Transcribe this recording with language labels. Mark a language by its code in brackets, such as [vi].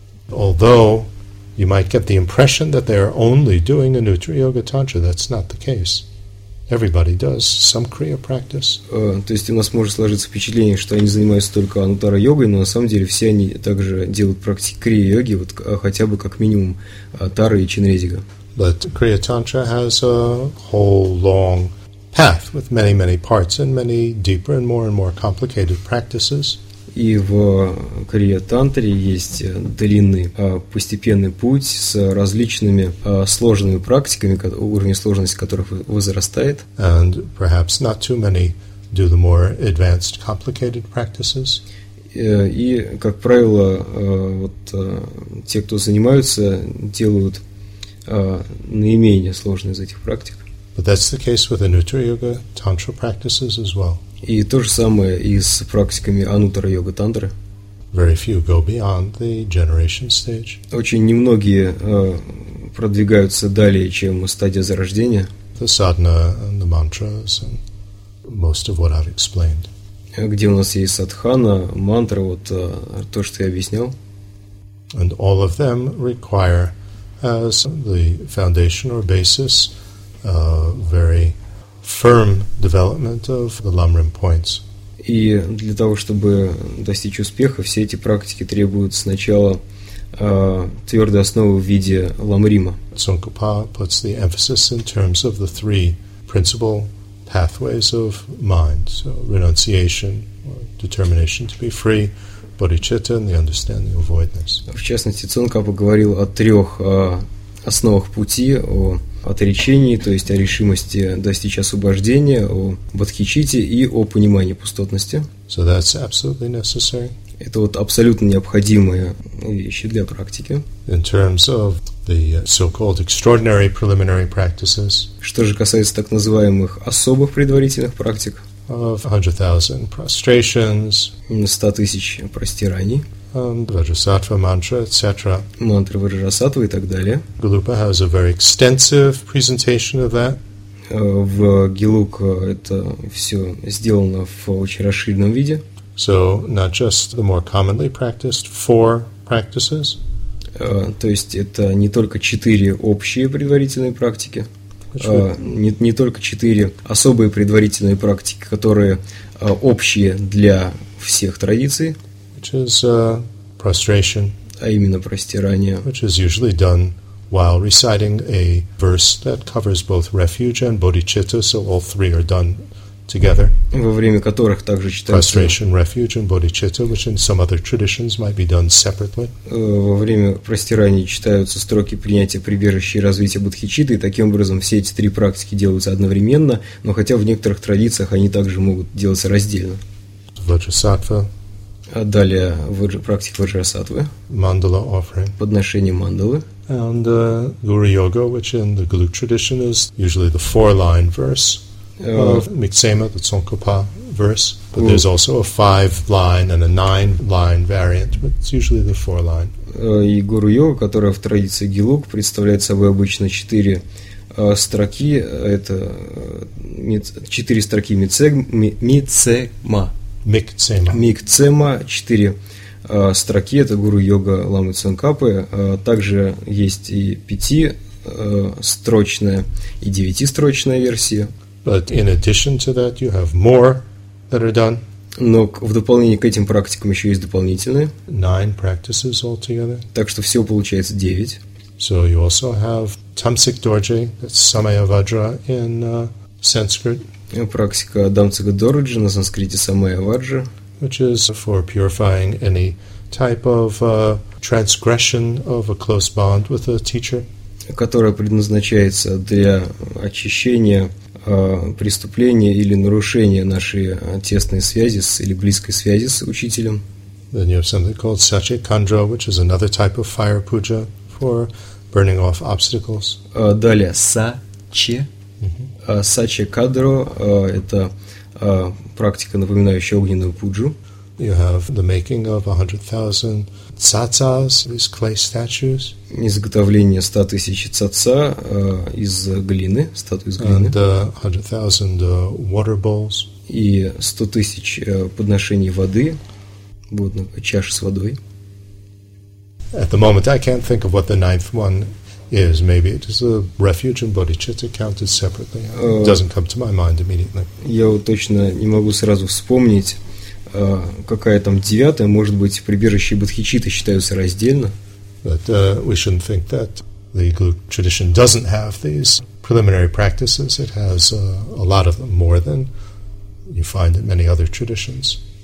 [en] Although you might get the impression that they are only doing a Anuttara Yoga Tantra, that's not the case. Everybody does some Kriya practice. [ru] То есть у нас может сложиться впечатление, что они занимаются только Анутара йогой, но на самом деле все они также делают практики Крия йоги, вот хотя бы как минимум Тары и Чинрезига. [en] But Kriya Tantra has a whole long path with many, many parts and many deeper and more complicated practices. [ru] И в Крия Тантре есть длинный постепенный путь с различными сложными практиками, уровень сложности которых возрастает. [en] And perhaps not too many do the more advanced, complicated practices. [ru] И, как правило, вот те, кто занимаются, делают наименее сложные из этих практик. [en] But that's the case with Anuttara Yoga Tantra practices as well. [ru] И то же самое и с практиками Анутара Йога Тантры. [en] Very few go beyond the generation stage. [ru] Очень немногие продвигаются далее, чем стадия зарождения. [en] The sadhana and the mantras and most of what I've explained. [ru] Где у нас есть садхана, мантра, вот то, что я объяснял. [en] And all of them require as the foundation or basis very firm development of the lamrim points. [ru] И для того, чтобы достичь успеха, все эти практики требуют сначала твердой основы в виде ламрима. [en] Tsongkhapa puts the emphasis in terms of the three principal pathways of mind. So renunciation, or determination to be free, bodhicitta, and the understanding of voidness. [ru] В частности, Tsongkhapa говорил о трех основах пути, о отречении, то есть о решимости достичь освобождения, о бодхичитте и о понимании пустотности. [en] So that's absolutely necessary. [ru] Это вот абсолютно необходимые вещи для практики. [en] In terms of the so-called extraordinary preliminary practices. [ru] Что же касается так называемых особых предварительных практик? [en] Of 100,000 prostrations. [ru] 100 тысяч простираний. [en] Vajrasattva mantra, etc. [ru] Мантра Ваджрасаттвы и так далее. [en] Gelupa has a very extensive presentation of that. [ru] В Гелук это все сделано в очень расширенном виде. [en] So not just the more commonly practiced four practices. [ru] То есть это не только четыре общие предварительные практики. Не только четыре особые предварительные практики, которые общие для всех традиций. [en] Which is prostration. [ru] А именно простирание. [en] Which is usually done while reciting a verse that covers both refuge and bodhicitta, so all three are done together. [ru] Во время которых также читается. [en] Prostration, refuge, and bodhicitta, which in some other traditions might be done separately. [ru] Во время простирания читаются строки принятия прибежища и развития бодхичитты, и таким образом все эти три практики делаются одновременно, но хотя в некоторых традициях они также могут делаться раздельно. [en] Vajrasattva. [ru] Далее практика Ваджрасаттвы. [en] Мандала offering. [ru] Подношение мандалы. [en] And Guru Yoga, which in the Geluk tradition is usually the four-line verse of Miksema, the Tsongkhapa verse. But there's also a five-line and a nine-line variant, but it's usually the four-line. [ru] И Guru Yoga, которая в традиции Гелук представляет собой обычно четыре строки, это четыре строки Миксема. Миксема, четыре строки, это Гуру Йога Ламы Цонкапы. Также есть и пятистрочная и девятистрочная версия. [en] But in addition to that, you have more that are done. [ru] Но в дополнение к этим практикам еще есть дополнительные. [en] Nine practices altogether. [ru] Так что всего получается девять. [en] So you also have Tamsik Dorje, that's Samaya Vajra in Sanskrit. [ru] Практика дамцига дороджи на санскрите самая ваджа. [en] Which is for purifying any type of transgression of a close bond with a teacher. [ru] Которая предназначается для очищения преступления или нарушения нашей тесной связи с, или близкой связи с учителем. [en] Then you have something called sache kandra, which is another type of fire puja for burning off obstacles. [ru] Далее sache. Sache kandra это практика, напоминающая огненную пуджу. [en] You have the making of 100,000 tsatsas, these clay statues. [ru] Изготовление 100 тысяч цаца из глины, статуи из глины. [en] And 100,000 water bowls. [ru] И 100 тысяч подношений воды, чаши с водой. [en] At the moment, I can't think of what the ninth one is. Maybe it is a refuge in bodhicitta counted separately. It doesn't come to my mind immediately. [ru] Я точно не могу сразу вспомнить. Какая там девятая, может быть, прибежище бодхичитты считаются раздельно. [en] But we shouldn't think that the group tradition doesn't have these preliminary practices. It has a lot of them, more than you find in many other traditions.